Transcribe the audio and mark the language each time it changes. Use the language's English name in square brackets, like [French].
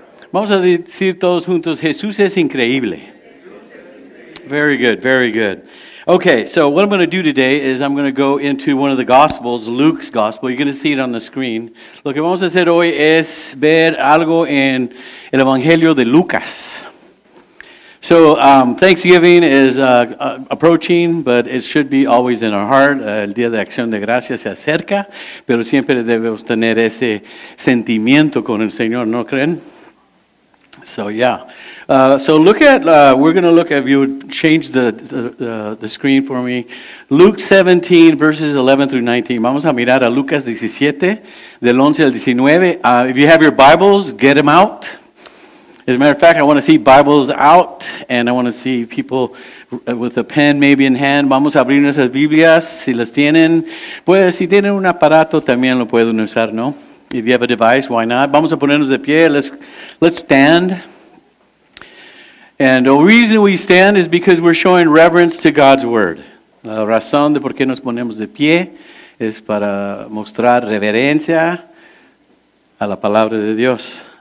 [Spanish] Vamos a decir todos juntos, Jesús es increíble. [English] Very good, very good. Okay, so what I'm going to do today is I'm going to go into one of the Gospels, Luke's Gospel. You're going to see it on the screen. [Spanish] Lo que vamos a hacer hoy es ver algo en el Evangelio de Lucas. [English] So Thanksgiving is approaching, but it should be always in our heart. [Spanish] El Día de Acción de Gracias se acerca, pero siempre debemos tener ese sentimiento con el Señor, ¿no creen? [English] So yeah. If you would change the screen for me, Luke 17, verses 11 through 19. [Spanish] Vamos a mirar a Lucas 17, del 11 al 19. [English] If you have your Bibles, get them out. As a matter of fact, I want to see Bibles out, and I want to see people with a pen maybe in hand. [Spanish] Vamos a abrir nuestras Biblias, si las tienen. Pues, si tienen un aparato, también lo pueden usar, ¿no? [English] If you have a device, why not? [Spanish] Vamos a ponernos de pie. [English] Let's stand. And the reason we stand is because we're showing reverence to God's Word. [Spanish] La razón de por qué nos ponemos de pie es para mostrar reverencia a la palabra de Dios.